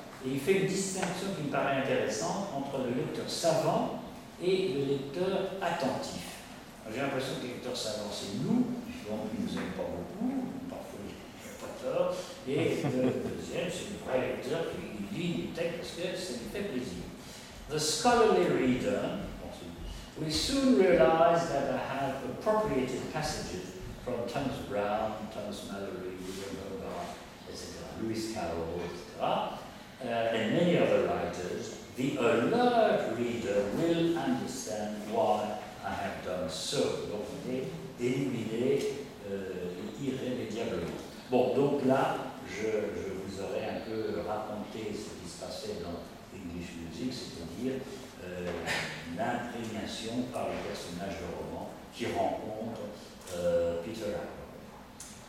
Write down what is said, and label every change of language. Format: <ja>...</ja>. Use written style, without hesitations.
<fr>Et il fait une distinction qui me paraît intéressante entre le lecteur savant et le lecteur attentif. Alors, j'ai l'impression que le lecteur savant, c'est nous, donc il ne nous aime pas beaucoup, parfois il n'a pas tort, et le deuxième, c'est le vrai lecteur qui lit le texte parce que ça lui fait plaisir.</fr> <en>The scholarly reader will soon realize that I have appropriated passages from Thomas Brown, Thomas Malory, William Hogarth, etc., Lewis Carroll, etc., and many other writers. The alert reader will understand why I have done so.</en> <fr>Donc, vous voyez, éliminer irrémédiablement. Bon, donc là, je vous aurais un peu raconté ce qui se passait dans English Music, c'est-à-dire l'imprégnation par le personnage de roman qui rencontre Peter Ackroyd.</fr>